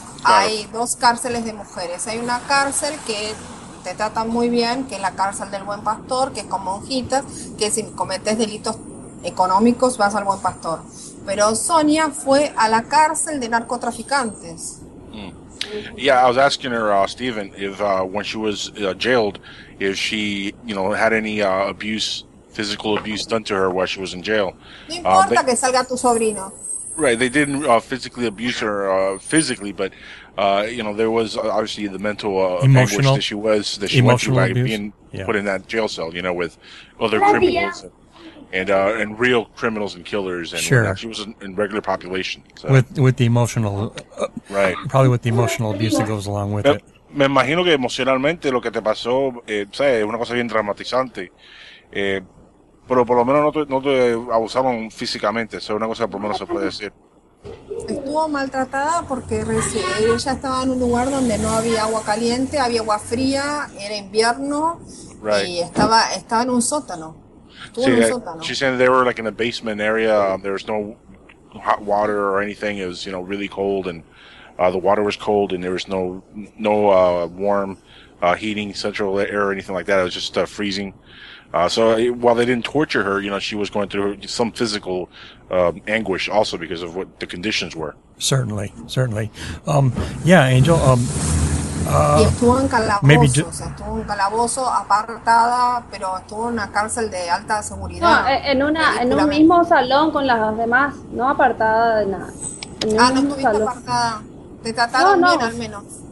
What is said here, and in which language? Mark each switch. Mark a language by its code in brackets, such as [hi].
[es] Hay dos cárceles de mujeres. Hay una cárcel que te trata muy bien, que es la cárcel del Buen Pastor, que es con monjitas, que si cometes delitos económicos vas al Buen Pastor. Pero Sonia fue a la cárcel de narcotraficantes. [en] Yeah, I was asking her, Stephen, if when she was jailed, if she, you know, had any abuse, physical abuse done to her while she was in jail. [es] No importa que salga tu sobrino. [en] Right, they didn't physically abuse her physically, but you know, there was obviously the mental emotional anguish that she went through by being put in that jail cell, you know, with other criminals and real criminals and killers, and she was in regular population. So. With the emotional, right? Probably with the emotional abuse that goes along with it. [es] Me imagino que emocionalmente lo que te pasó, sabes, es una cosa bien dramatizante. Pero por lo menos no te abusaron físicamente. Eso es una cosa que por lo menos se puede decir. Estuvo maltratada porque ella estaba en un lugar donde no había agua caliente, había agua fría, era invierno, [en] right. [es] Y estaba en un sótano. [en] She said they were like in a basement area. There was no hot water or anything. It was, you know, really cold, and the water was cold, and there was no warm heating central air or anything like that. It was just freezing. While they didn't torture her, you know, she was going through some physical anguish also because of what the conditions were. Certainly, certainly. Angel. [es] Y estuvo en calabozos, estuvo en calabozo apartada, pero estuvo en una cárcel de alta seguridad. No, en un mismo salón con las demás, no apartada de nada. No estuviste salón. Apartada. Te trataron bien al menos.